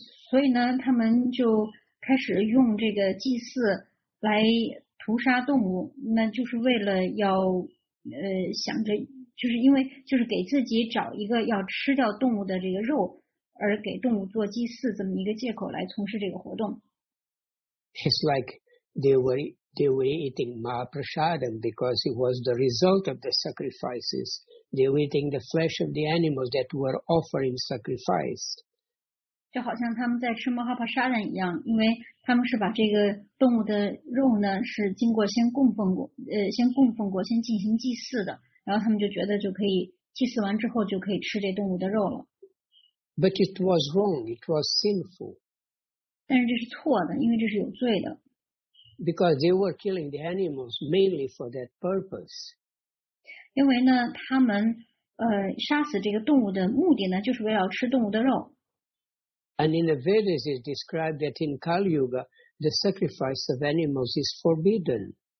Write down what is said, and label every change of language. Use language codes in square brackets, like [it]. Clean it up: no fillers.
[zh] 所以呢，他们就开始用这个祭祀来屠杀动物，那就是为了要想着，就是因为就是给自己找一个要吃掉动物的这个肉，而给动物做祭祀这么一个借口来从事这个活动。 [en] It's like they were eating Mahaprasadam because it was the result of the sacrifices. They were eating the flesh of the animals that were offering sacrifice. [zh] 就好像他们在吃 Mahaprasadam 一样，因为他们是把这个动物的肉呢，是经过先供奉过，先供奉过，先进行祭祀的。然后他们就觉得就可以祭祀完之后就可以吃这动物的肉了。 [en] But it was wrong. It was sinful. [zh] 但是这是错的，因为这是有罪的。 [en] Because they were killing the animals mainly for that purpose. [zh] 因为呢，他们杀死这个动物的目的呢，就是为了吃动物的肉。 [en] And in the Vedas, it's described that in Kali Yuga, the sacrifice of animals is forbidden.